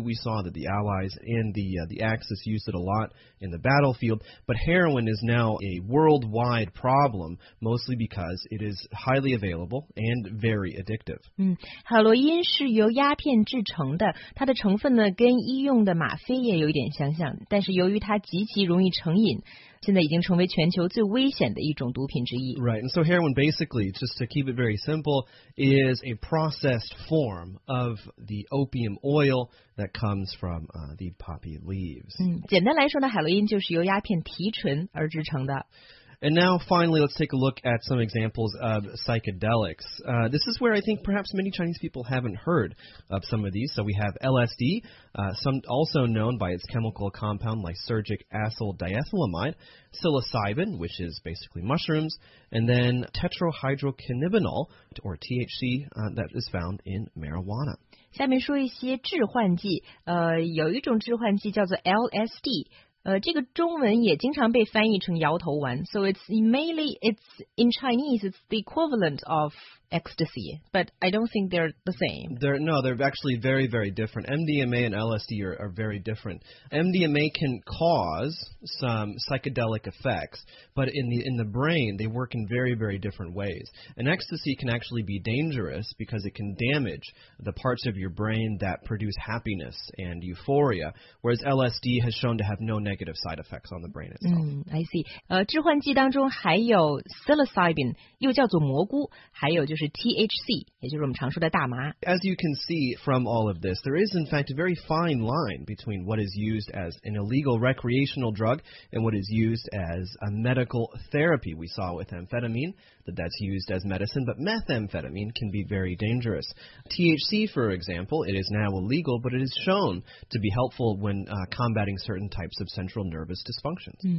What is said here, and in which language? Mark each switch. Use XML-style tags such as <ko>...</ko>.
<en>We saw that the Allies and the Axis used it a lot in the battlefield. But heroin is now a worldwide problem, mostly because it is highly available and very addictive.</en> <zh>海洛因是由鸦片制成的，它的成分呢跟医用的吗啡也有一点相像，但是由于它极其容易成瘾，现在已经成为全球最危险的一种毒品之一。</zh> <en>Right, and so heroin basically, just to keep it very simple, is a processed form of the opium oil that comes from the poppy leaves.</en> <zh>简单来说呢，海洛因就是由鸦片提纯而制成的。</zh> <en>And now, finally, let's take a look at some examples of psychedelics. This is where I think perhaps many Chinese people haven't heard of some of these. So we have LSD, some also known by its chemical compound lysergic acyldiethylamide, psilocybin, which is basically mushrooms, and then tetrahydrocannabinol, or THC, that is found in marijuana.</en> <zh>下面说一些致幻剂，有一种致幻剂叫做 LSD. 这个中文也经常被翻译成摇头丸。</zh> <en>So it's in Chinese, it's the equivalent of ecstasy, but I don't think they're the same. They're actually very, very different. MDMA and LSD are very different. MDMA can cause some psychedelic effects, but in the brain, they work in very, very different ways. And ecstasy can actually be dangerous because it can damage the parts of your brain that produce happiness and euphoria, whereas LSD has shown to have no negative side effects on the brain itself. I see.</en> <zh>致幻剂当中还有 psilocybin, 又叫做蘑菇，还有就是是 THC， 也就是我们常说的大麻。</zh> <en>As you can see from all of this, there is in fact a very fine line between what is used as an illegal recreational drug and what is used as a medical therapy. We saw with amphetamine that's used as medicine, but methamphetamine can be very dangerous. THC, for example, it is now illegal, but it is shown to be helpful when combating certain types of central nervous dysfunctions.</en>